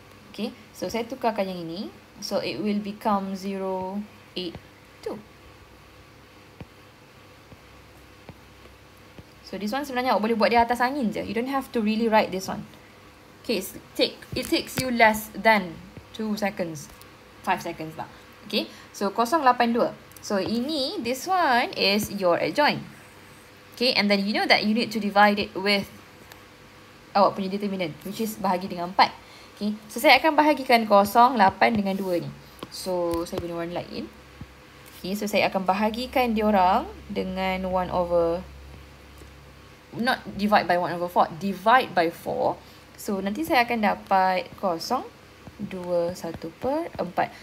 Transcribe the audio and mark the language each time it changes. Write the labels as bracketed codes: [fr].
[ms] Okay, so saya tukarkan yang ini. [en] So it will become 0.82. So this one [ms] sebenarnya awak boleh buat di atas angin je. [en] You don't have to really write this one. Okay, it takes you less than 2 seconds, 5 seconds lah. Okay, so 0.82. [ms] So ini, [en] this one is your adjoint. Okay, and then you know that you need to divide it with [ms] awak punya [en] determinant, which is [ms] bahagi dengan 4. Okay, so saya akan bahagikan 0.8 dengan 2 ni. So saya guna warna lain. Okay, so saya akan bahagikan diorang dengan 1 over, [en] not divide by 1 over 4, divide by 4. [ms] So nanti saya akan dapat 0.21/4.